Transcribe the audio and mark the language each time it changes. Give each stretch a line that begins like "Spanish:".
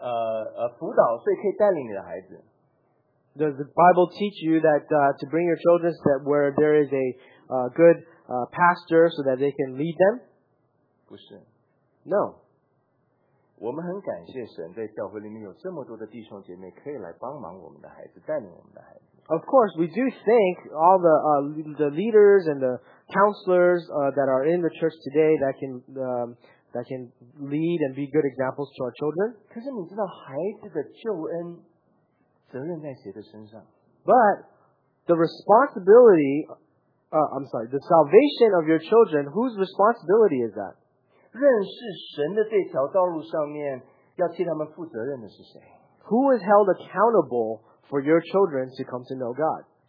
Chinese: 神的话语是不是说把他送到一个教会里面有好的牧师，好的这个辅导，所以可以带领你的孩子？
English: Does the Bible teach you that to bring your children to that where there is a good pastor so that they can lead them?
Chinese: 不是。
English: No.
Chinese: 我们很感谢神，在教会里面有这么多的弟兄姐妹可以来帮忙我们的孩子，带领我们的孩子。
English: Of course, we do thank all the leaders and the counselors that are in the church today that can lead and be good examples to our children.
Chinese: 可是你知道孩子的救恩，
English: But the responsibility, the salvation of your children, whose responsibility is that?
Chinese: 认识神的这条道路上面，要替他们负责任的是谁？
English: Who is held accountable for your children to come to know God?